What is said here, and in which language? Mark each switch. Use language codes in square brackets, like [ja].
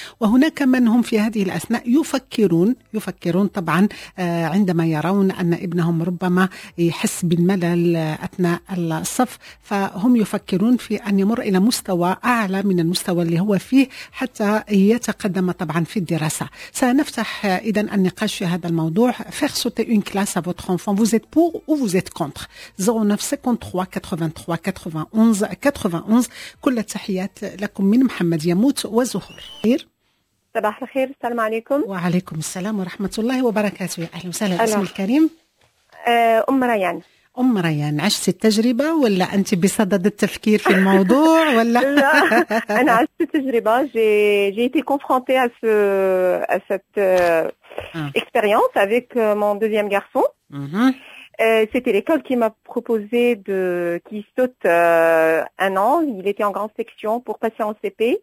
[ar] وهناك من هم في هذه الأثناء يفكرون طبعا عندما يرون أن ابنهم ربما يحس بالملل أثناء الصف، فهم يفكرون في أن يمر إلى مستوى أعلى من المستوى اللي هو فيه حتى يتقدم طبعا في الدراسة. سنفتح إذن النقاش في هذا الموضوع. [fr] faire sauter une classe à votre enfant, vous êtes pour ou vous êtes contre؟ 09 53 83 91 91. [ar] كل التحيات لكم من محمد يموت وزهور. صباح الخير، السلام عليكم. وعليكم السلام ورحمة الله وبركاته، أهلا وسهلا. اسم الكريم؟ أم ريان. أم ريان، عشت التجربة ولا أنت بصدد التفكير في الموضوع ولا؟ لا، أنا عشت التجربة. [fr] j'ai été confrontée à ce à cette expérience avec mon deuxième garçon. C'était l'école qui m'a proposé de qui saute un an. Il était en grande section pour passer en CP.